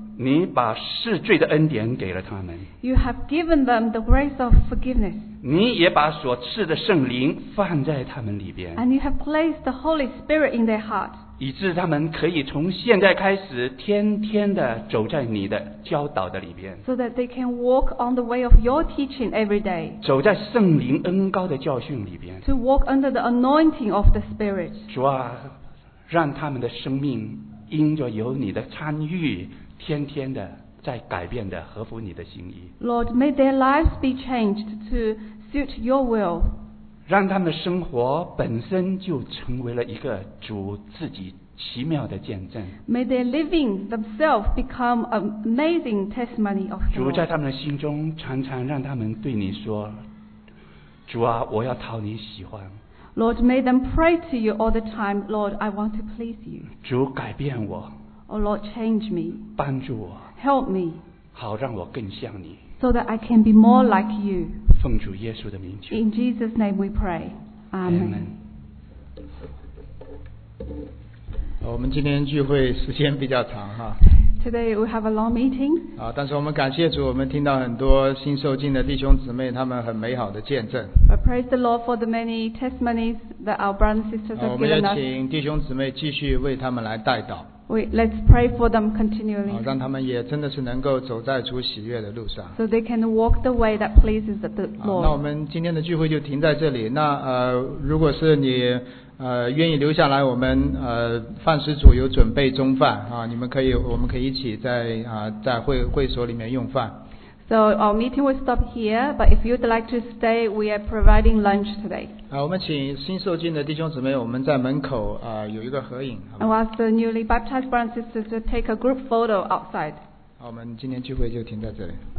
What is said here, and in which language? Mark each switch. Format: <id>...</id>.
<zh>你把赦罪的恩典给了他们。</zh> <en>You have given them the grace of forgiveness.</en> <zh>你也把所赐的圣灵放在他们里边。</zh> <en>And you have placed the Holy Spirit in their heart.</en> <zh>以致他们可以从现在开始天天的走在你的教导的里边。</zh> <en>So that they can walk on the way of your teaching every day.</en> <zh>走在圣灵恩膏的教训里边。</zh> <en>To walk under the anointing of the Spirit.</en> <zh>主啊，让他们的生命因着有你的参与，天天的在改变的合乎你的心意。</zh> <en>Lord, may their lives be changed to suit your will.</en> <zh>让他们的生活本身就成为了一个主自己奇妙的见证。</zh> <en>May their living themselves become an amazing testimony of God.</en> <zh>主在他们的心中常常让他们对你说：“主啊，我要讨你喜欢。”</zh> <en>Lord, may them pray to you all the time. Lord, I want to please you.</en> <zh>主改变我。</zh> <en>Oh Lord, change me.</en> <zh>帮助我。</zh> <en>Help me.</en> <zh>好让我更像你。</zh> <en>So that I can be more like you.</en> <zh>奉主耶稣的名求。</zh> <en>In Jesus' name we pray. Amen.</en> <zh>我们今天聚会时间比较长哈。</zh> <en>Today we have a long meeting.</en> <zh>但是我们感谢主，我们听到很多新受浸的弟兄姊妹，他们很美好的见证。</zh> <en>I praise the Lord for the many testimonies that our brothers and sisters have given us.</en> <zh>我们也请弟兄姊妹继续为他们来代祷。</zh> <en>Let's pray for them continually.</en> <zh>让他们也真的是能够走在主喜悦的路上。</zh> <en>So they can walk the way that pleases the Lord.</en> <zh>那我们今天的聚会就停在这里。那如果是你愿意留下来，我们饭食组有准备中饭啊，你们可以，我们可以一起在会所里面用饭。</zh> <en>So our meeting will stop here, but if you'd like to stay, we are providing lunch today.</en> <zh>我们请新受浸的弟兄姊妹，我们在门口有一个合影。</zh> <en>I want the newly baptized brothers and sisters to take a group photo outside.</en> <zh>好，我们今天聚会就停在这里。</zh>